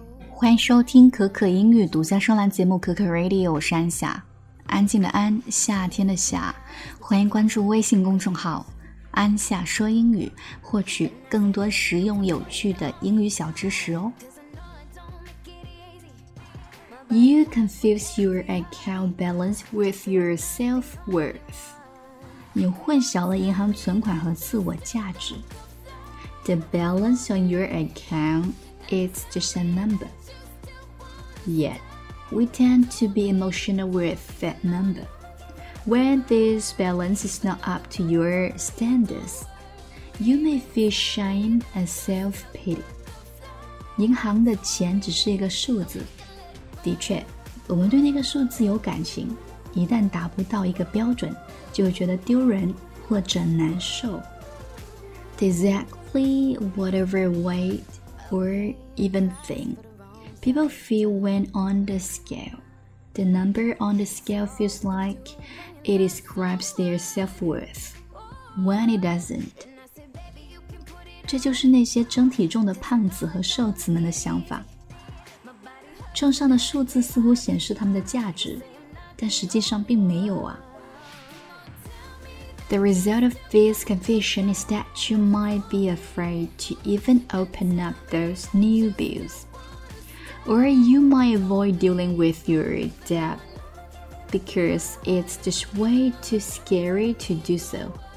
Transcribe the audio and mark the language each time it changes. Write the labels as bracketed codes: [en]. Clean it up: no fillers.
[zh] 欢迎收听可可英语独家专栏节目可可 Radio， 我是安夏，安静的安，夏天的夏。欢迎关注微信公众号安夏说英语，获取更多实用有趣的英语小知识哦。 [en] You confuse your account balance with your self-worth. 你混淆了银行存款和自我价值。 The balance on your account is just a number. Yet, we tend to be emotional with that number. When this balance is not up to your standards, you may feel shame and self-pity. [zh] 银行的钱只是一个数字。的确，我们对那个数字有感情，一旦达不到一个标准，就会觉得丢人或者难受。 [en] Exactly whatever weight or even thing people feel when on the scale. The number on the scale feels like it describes their self-worth when it doesn't. [zh] 这就是那些称体重的胖子和瘦子们的想法。秤上的数字似乎显示他们的价值，但实际上并没有啊。 [en] The result of this confusion is that you might be afraid to even open up those new bills, or you might avoid dealing with your debt because it's just way too scary to do so.